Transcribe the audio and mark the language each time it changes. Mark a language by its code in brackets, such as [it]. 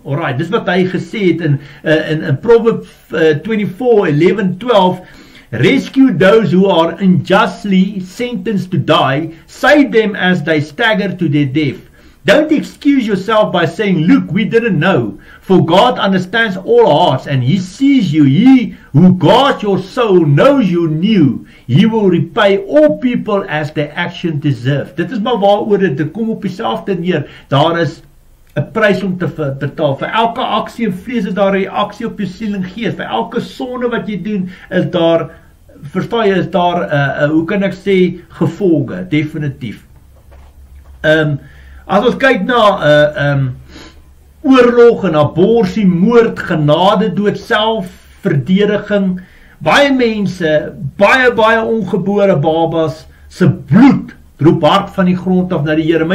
[en] Alright, [af] dis wat hy gesê het in [en] Proverbs 24:11-12, "Rescue those who are unjustly sentenced to die, save them as they stagger to their death. Don't excuse yourself by saying, 'Look, we didn't know.' For God understands all hearts, and He sees you. He who guards your soul knows you new. He will repay all people as their action deserve." [af] Dit is maar waaroor dit kom op dieselfde neer. Daar is 'n prys om te betaal. Vir elke aksie en vrees is daar 'n reaksie op jou siel en gees. Vir elke sonde wat jy doen is daar, verstaan jy, is daar, hoe kan ek sê, gevolge, definitief. As ons kyk na oorlog en abortie, moord, genade dood, selfverdediging, baie mense, baie ongebore babas, se bloed roep hart van die grond af na die Here.